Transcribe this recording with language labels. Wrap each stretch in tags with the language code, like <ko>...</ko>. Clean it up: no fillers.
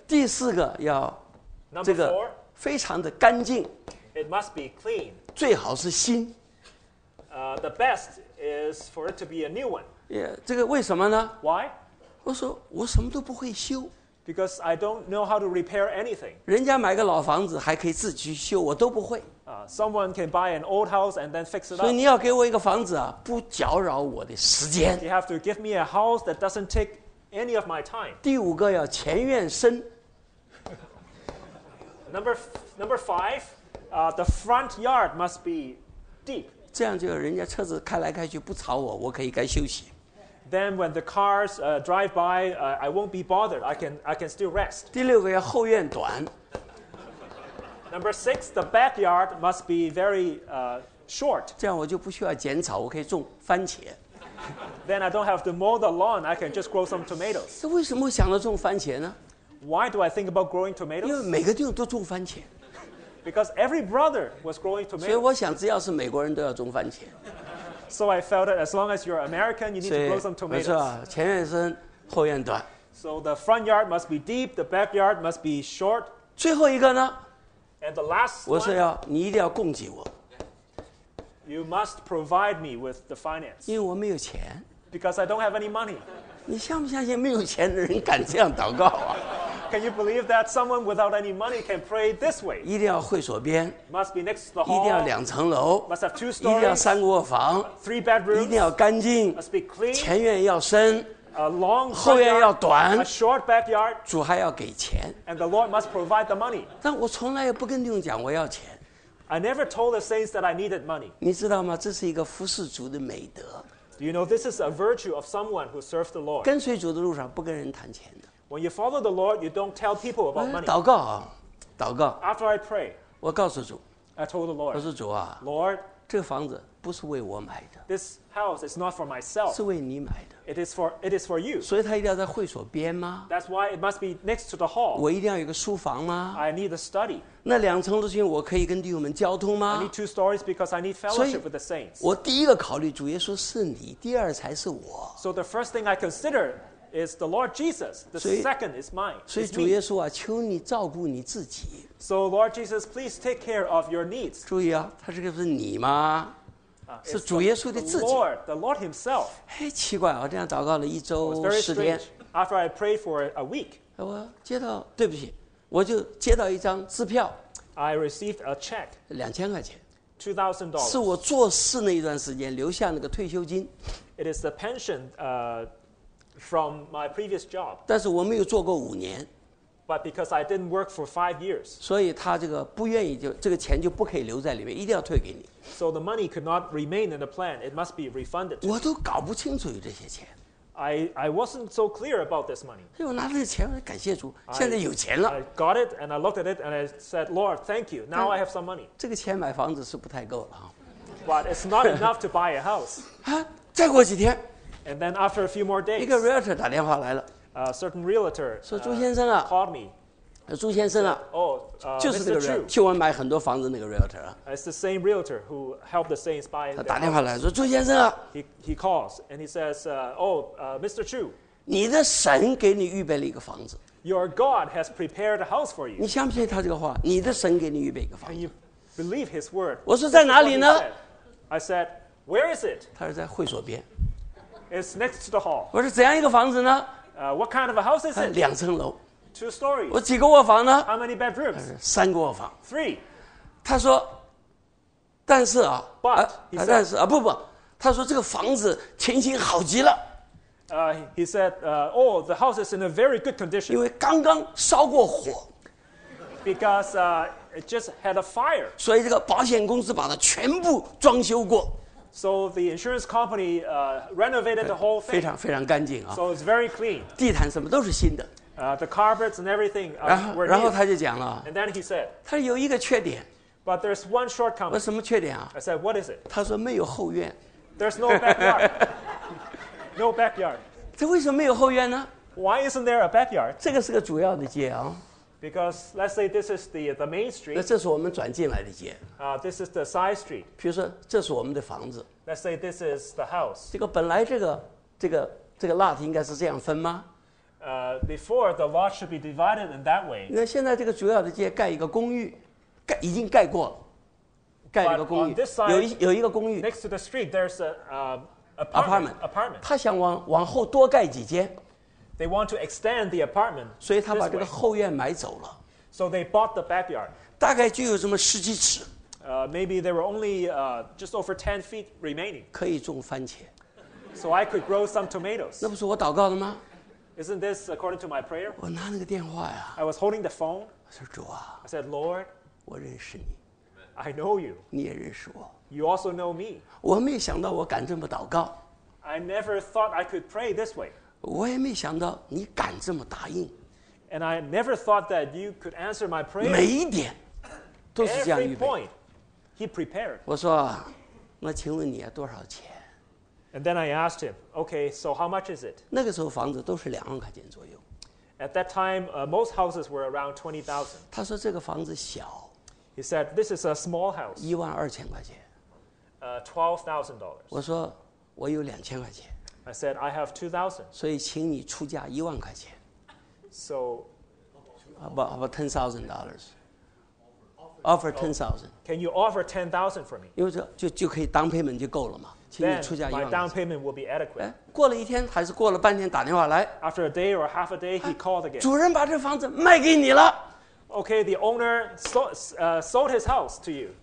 <zh>第四个要这个非常的干净。</zh> <en>It must be clean.</en> <zh>最好是新。</zh> <en>The best is for it to be a new one.</en> <zh>Yeah, 这个为什么呢</zh> <en>？Why?</en> <zh>我说我什么都不会修。</zh> <en>Because I don't know how to repair anything.</en> <zh>人家买个老房子还可以自己修，我都不会。</zh> <en>Someone can buy an old house and then fix it up.</en> <zh>所以你要给我一个房子啊，不搅扰我的时间。</zh> <en>You have to give me a house that doesn't take any of my time.</en> <zh>第五个要前院深。</zh> <en>Number five, the front yard must be deep.</en> <zh>这样就人家车子开来开去不吵我，我可以该休息。</zh> <en>Then when the cars drive by, I won't be bothered. I can still rest.</en> <zh>第六个要后院短。</zh> <en>Number six, the backyard must be very short.</en> <zh>这样我就不需要剪草，我可以种番茄。</zh> <en>Then I don't have to mow the lawn. I can just grow some tomatoes.</en> <zh>这为什么想到种番茄呢</zh> <en>？Why do I think about growing tomatoes?</en> <zh>因为每个地方都种番茄。</zh> <en>Because every brother was growing tomatoes.</en> <zh>所以我想，只要是美国人都要种番茄。</zh> <en>So I felt that as long as you're American, you need to grow some tomatoes.</en> <zh>所以没错，前院深，后院短。</zh> <en>So the front yard must be deep. The backyard must be short.</en> <zh>最后一个呢？</zh> <en>And the last one,</en> <zh>我说要你一定要供给我。</zh> <en>You must provide me with the finance.</en> <zh>因为我没有钱。</zh> <en>Because I don't have any money.</en> <zh>你相不相信没有钱的人敢这样祷告啊</zh> <en>？Can you believe that someone without any money can pray this way?</en> <zh>一定要会所边。</zh> <en>Must be next to the hall.</en> <zh>一定要两层楼。</zh> <en>Must have two stories.</en> <zh>一定要三个卧房。</zh> <en>Three bedrooms.</en> <zh>一定要干净。</zh> <en>Must be clean.</en> <zh>前院要深。</zh> <en>A long</en> <zh>后院要短</zh> <en>a short backyard,</en> <zh>主还要给钱</zh> <en>and the Lord must provide the money.</en> <zh>但我从来也不跟弟兄讲我要钱</zh> <en>I never told the saints that I needed money.</en> <zh>你知道吗这是一个服侍主的美德</zh> <en>Do you know this is a virtue of someone who serves the Lord?</en> <zh>跟随主的路上不跟人谈钱的</zh> <en>When you follow the Lord, you don't tell people about money.</en> <zh>祷告啊祷告</zh> <en>After I pray,</en> <zh>我告诉主</zh> <en>I told the Lord,</en> <zh>我说主啊</zh> <en>Lord,</en> <zh>这个房子不是为我买的</zh> <en>This house is not for myself.</en> <zh>是为你买的</zh> <en>It is for you.</en> <zh>所以他一定要在会所边吗</zh> <en>？That's why it must be next to the hall.</en> <zh>我一定要有个书房吗</zh> <en>？I need a study.</en> <zh>那两层楼是因为我可以跟弟兄们交通吗</zh> <en>？I need two stories because I need fellowship with the saints.</en> <zh>我第一个考虑主耶稣是你，第二才是我。</zh> <en>So the first thing I consider is the Lord Jesus. The second is mine.</en> <zh>所以主耶稣啊，求你照顾你自己。</zh> <en>So Lord Jesus, please take care of your needs.</en> <zh>注意啊，他这个是你吗？是主耶稣的自己。</zh> <en>The Lord Himself.</en> <zh>哎，奇怪，我这样祷告了一周十天。</zh> <en>After I prayed for a week.</en> <zh>我接到，对不起，我就接到一张支票。</zh> <en>I received a check.</en> <zh>2000块钱。</zh> <en>$2,000.</en> <zh>是我做事那一段时间留下那个退休金。</zh> <en>It is the pension from my previous job.</en> <zh>但是我没有做过五年。</zh> <en>But because I didn't work for 5 years.</en> <zh>所以他这个不愿意就这个钱就不可以留在里面，一定要退给你。</zh> <en>So the money could not remain in the plan. It must be refunded.</en> <zh>我都搞不清楚有这些钱。</zh> <en>I wasn't so clear about this money.</en> <zh>哎，我拿这个钱，感谢主，现在有钱了。</zh> <en>I got it and I looked at it and I said, Lord, thank you. Now I have some money.</en> <zh>这个钱买房子是不太够了啊。</zh> <en>But it's not enough to buy a house.</en> <zh>啊，再过几天。</zh> <en>And then after a few more days,</en> <zh>一个 realtor 打电话来了。</zh> <en>A certain realtor</en> <zh>说朱先生啊</zh> <en>called me.</en> <zh>朱先生啊 就是那个 realtor 去我买很多房子那个 realtor 啊</zh> <en>It's the same realtor who helped the saints buy.</en> <zh>他打电话来说朱先生啊</zh> <en>He calls and he says, Mr. Chu.</en> <zh>你的神给你预备了一个房子。</zh> <en>Your God has prepared a house for you.</en> <zh>你相信他这个话？你的神给你预备一个房子。</zh> <en>Can you believe his word?</en> <zh>我说在哪里呢</zh> <en>？I said, where is it?</en> <zh>他说在会所边。</zh> <en>It's next to the hall.</en> <zh>我说怎样一个房子呢？</zh> <en>What kind of a house is it?</en> <zh>两层楼。</zh> <en>Two stories.</en> <zh>我几个卧房呢</zh> <en>？How many bedrooms?</en> <zh>三个卧房。</zh> <en>Three.</en> <zh>他说，但是啊，</zh> <en>But,</en> <zh>但是啊，不不，他说这个房子情形好极了。</zh> <en>He said, "Oh, the house is in a very good condition."</en> <zh>因为刚刚烧过火。</zh> <en>Because it just had a fire.</en> <zh>所以这个保险公司把它全部装修过。</zh> <en>So the insurance company renovated the whole thing.</en> <zh>非常非常干净啊。</zh> <en>So it's very clean.</en> <zh>地毯什么都是新的。</zh> <en>The carpets and everything.</en> <zh>然后他就讲了。</zh> <en>And then he said,</en> <zh>他有一个缺点。</zh> <en>But there's one shortcoming.</en> <zh>什么缺点啊？</zh> <en>I said, what is it?</en> <zh>他说没有后院。</zh> <en>There's no backyard. No backyard.</en> <zh>这为什么没有后院呢？</zh> <en>Why isn't there a backyard?</en> <zh>这个是个主要的街啊。</zh> <en>Because let's say this is the main street.</en> <zh>那这是我们转进来的街。</zh> <en>This is the side street.</en> <zh>比如说，这是我们的房子。</zh> <en>Let's say this is the house.</en> <zh>这个本来这个 lot 应该是这样分吗？</zh> <en>Before the lot should be divided in that way.</en> <zh>那现在这个主要的街盖一个公寓，盖已经盖过了。盖了个公寓</zh> <en>on this side,</en> <zh>有一个公寓</zh> <en>next to the street, there's</en> <zh>apartment. 他想往后多盖几间</zh> <en>they want to extend the apartment,</en> <zh>所以他把这个后院买走了</zh> <en>so they bought the backyard.</en> <zh>大概就有这么十几尺</zh> <en>maybe there were only just over 10 feet remaining.</en> <zh>可以种番茄</zh> <en>so I could grow some tomatoes.</en> <zh>那不是我祷告的吗</zh> <en>isn't this according to my prayer?</en> <zh>我拿那个电话呀</zh> <en>I was holding the phone.</en> <zh>我说主啊</zh> <en>I said, Lord,</en> <zh>我认识你</zh> <en>I know you.</en> <zh>你也认识我。</zh> <en>You also know me.</en> <zh>我没想到我敢这么祷告。</zh> <en>I never thought I could pray this way.</en> <zh>我也没想到你敢这么答应。</zh> <en>And I never thought that you could answer my prayer.</en> <zh>每一点都是这样预备。</zh> <en>Every point, he prepared.</en> <zh>我说，那请问你要多少钱？</zh> <en>And then I asked him, okay, so how much is it?</en> <zh>那个时候房子都是2万块钱左右。</zh> <en>At that time, most houses were around 20,000.</en> <zh>他说这个房子小。</zh> <en>He said, "This is a small house."</en> <zh>12,000块钱。</zh> <en>$12,000.</en> <zh>我说我有2,000块钱。</zh> <en>I said, "I have 2,000."</en> <zh>所以请你出价10,000块钱。</zh> <en>So, about $10,000. Offer $10,000. Can you offer $10,000 for me?</en> <zh>因为这就可以当 payment 就够了嘛。请你出价10,000块钱。</zh> <en>My down payment will be adequate.</en> <zh>哎，过了一天还是过了半天，打电话来。</zh> <en>After a day or half a day, he called again.</en> <zh>主人把这房子卖给你了。</zh> <en>Okay, the owner sold his house to you.</en>